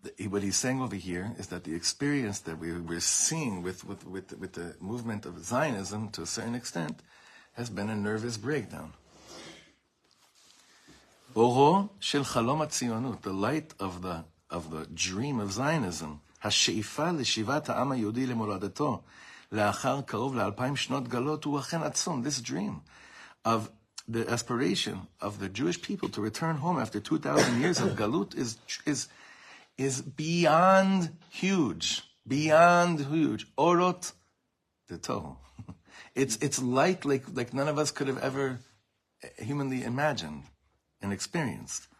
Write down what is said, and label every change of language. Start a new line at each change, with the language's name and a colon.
English: What he's saying over here is that the experience that we're seeing with the movement of Zionism to a certain extent has been a nervous breakdown.
Hebrew: Oro shel chalom atzionut,
English: the light of the dream of Zionism.
Hebrew: השאיפה לשיבת העם היהודי למולדתו לאחר קרוב ל-2000 שנות גלות הוא אכן עצום.
English: This dream of the aspiration of the Jewish people to return home after 2000 years of galut is beyond huge. Beyond huge.
Hebrew: Orot detohu.
English: It's light like none of us could have ever humanly imagined and experienced.